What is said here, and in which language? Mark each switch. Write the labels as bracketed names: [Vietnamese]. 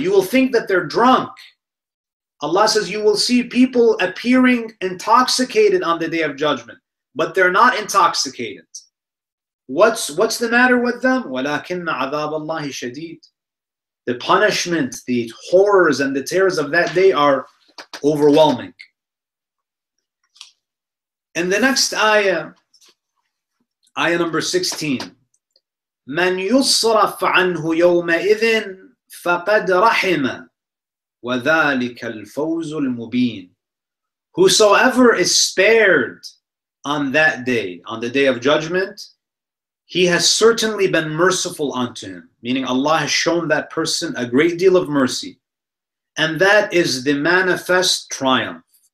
[English] You will think that they're drunk. Allah says, you will see people appearing intoxicated on the Day of Judgment, but they're not intoxicated. What's the matter with them? [Arabic] وَلَكِنَّ عَذَابَ اللَّهِ شَدِيدٌ. [English] The punishment, the horrors and the terrors of that day are overwhelming. In the next ayah, ayah number 16, [Arabic] مَنْ يُصْرَفْ عَنْهُ يَوْمَئِذٍ فَقَدْ رَحِمَ وَذَٰلِكَ الْفَوْزُ الْمُبِينَ. [English] Whosoever is spared on that day, on the Day of Judgment, he has certainly been merciful unto him. Meaning Allah has shown that person a great deal of mercy. And that is the manifest triumph.